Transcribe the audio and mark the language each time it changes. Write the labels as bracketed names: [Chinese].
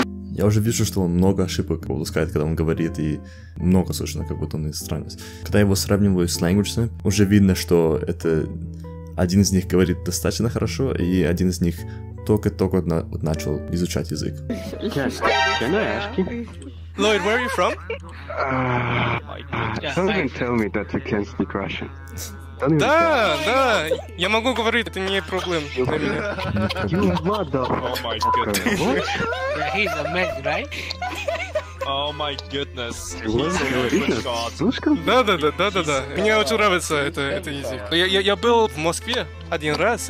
[Russian] Я уже вижу, что он много ошибок выпускает, когда он говорит, и много слышно, как будто он иностранец. Когда я его сравниваю с language, уже видно, что это... Один из них говорит достаточно хорошо, и один из них только-только начал изучать язык. [English] Lloyd, where are you from? Someone tell me that you can't speak Russian. [Russian] Да, да, я могу говорить, это не проблема для меня. [English] You motherfucker. Oh my goodness. He's a man, right? Oh my goodness. [Russian] Да. Мне очень нравится это язык. Я был в Москве один раз.